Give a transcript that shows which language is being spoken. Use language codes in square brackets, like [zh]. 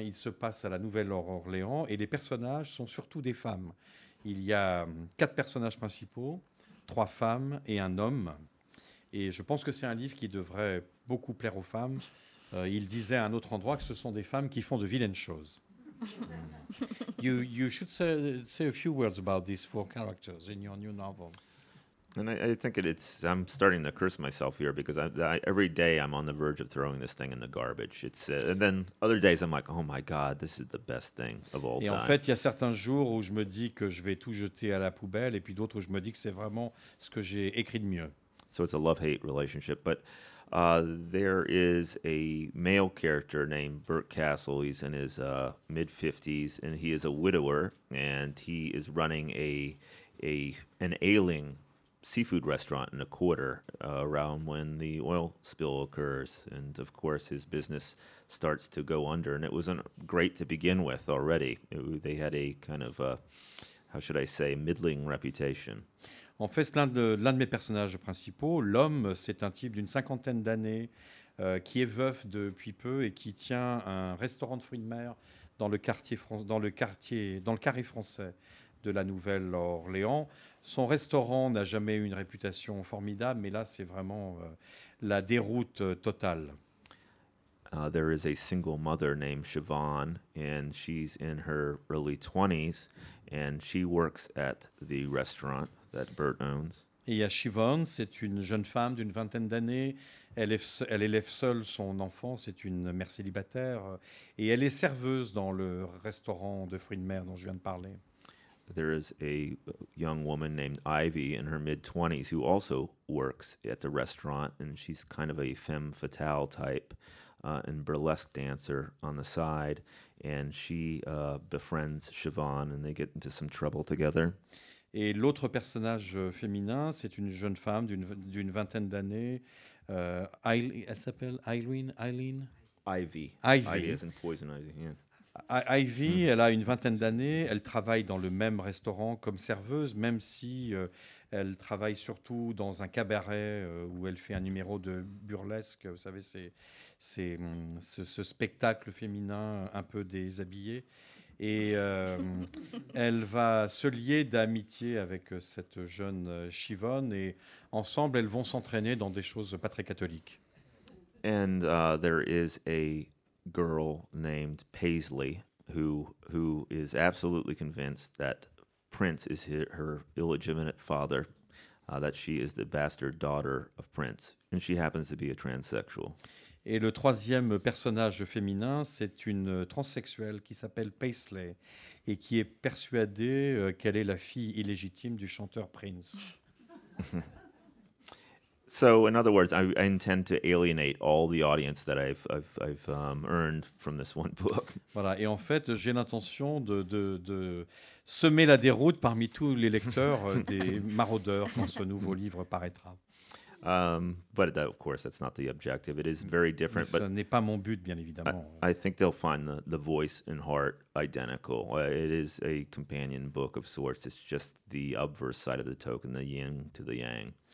[fr] Il se passe à la Nouvelle-Orléans et les personnages sont surtout des femmes. Il y a quatre personnages principaux, trois femmes et un homme. Et je pense que c'est un livre qui devrait beaucoup plaire aux femmes. Il disait à un autre endroit que ce sont des femmes qui font de vilaines choses. [en] You should say a few words about these four characters in your new novel. And I think I'm starting to curse myself here because every day I'm on the verge of throwing this thing in the garbage. It's and then other days I'm like, oh my God, this is the best thing of all time. [fr] Et en fait, il y a certains jours où je me dis que je vais tout jeter à la poubelle, et puis d'autres où je me dis que c'est vraiment ce que j'ai écrit de mieux. [en] So it's a love-hate relationship, but there is a male character named Burt Castle. He's in his mid-50s, and he is a widower, and he is running an ailing seafood restaurant in a quarter around when the oil spill occurs. And, of course, his business starts to go under, and it wasn't great to begin with already. They had a kind of, middling reputation. [fr] En fait, l'un de mes personnages principaux, l'homme, c'est un type d'une cinquantaine d'années qui est veuf depuis peu et qui tient un restaurant de fruits de mer dans le carré français de la Nouvelle-Orléans. Son restaurant n'a jamais eu une réputation formidable, mais là, c'est vraiment la déroute totale. [en] There is a single mother named Siobhan, and she's in her early 20s, and she works at the restaurant that Bert owns. [fr] Et il y a Siobhan, c'est une jeune femme d'une vingtaine d'années. Elle élève seule son enfant, c'est une mère célibataire. Et elle est serveuse dans le restaurant de fruits de mer dont je viens de parler. [en] There is a young woman named Ivy in her mid-20s who also works at the restaurant, and she's kind of a femme fatale type. And burlesque dancer on the side, and she befriends Siobhan, and they get into some trouble together. [fr] Et l'autre personnage féminin, c'est une jeune femme d'une vingtaine d'années. Elle s'appelle Eileen. [en] Ivy. Ivy is in poison ivy. Yeah. [fr] Ivy, elle a une vingtaine d'années. Elle travaille dans le même restaurant comme serveuse, même si elle travaille surtout dans un cabaret où elle fait un numéro de burlesque. Vous savez, c'est ce spectacle féminin un peu déshabillé. Et elle va se lier d'amitié avec cette jeune Siobhan. Et ensemble, elles vont s'entraîner dans des choses pas très catholiques. [en] And there is a girl named Paisley who is absolutely convinced that Prince is her illegitimate father, that she is the bastard daughter of Prince, and she happens to be a transsexual. [fr] Et le troisième personnage féminin, c'est une transsexuelle qui s'appelle Paisley et qui est persuadée qu'elle est la fille illégitime du chanteur Prince. [en] So, in other words, I intend to alienate all the audience that I've earned from this one book. [fr] Voilà. Et en fait, j'ai l'intention de semer la déroute parmi tous les lecteurs des maraudeurs quand ce nouveau livre paraîtra. [en] But that, of course, that's not the objective. It is very different. [fr] Mais ce n'est pas mon but, bien évidemment. [en] I think they'll find the voice and heart identical. It is a companion book of sorts. It's just the obverse side of the token, the yin to the yang.